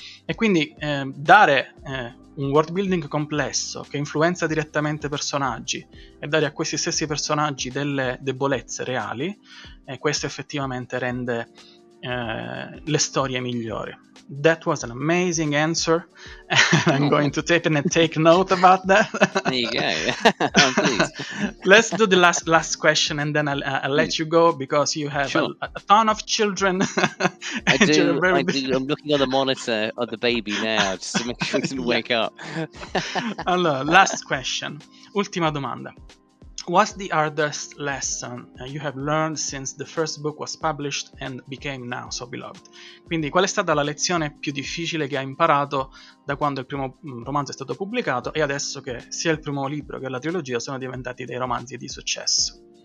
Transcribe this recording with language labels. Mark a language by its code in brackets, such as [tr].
[it] E quindi dare un world building complesso che influenza direttamente personaggi e dare a questi stessi personaggi delle debolezze reali, questo effettivamente rende le storie migliori. [en] That was an amazing answer. I'm going to tape and take note about that. There you go. Please. Let's do the last question and then I'll let you go because you have a ton of children. I do. I'm looking at the monitor of the baby now just to make sure he doesn't wake up. [it] Allora, [en] last question. [it] Ultima domanda. [en] What's the hardest lesson you have learned since the first book was published and became now so beloved? [it] Quindi, qual è stata la lezione più difficile che hai imparato da quando il primo romanzo è stato pubblicato e adesso che sia il primo libro che la trilogia sono diventati dei romanzi di successo?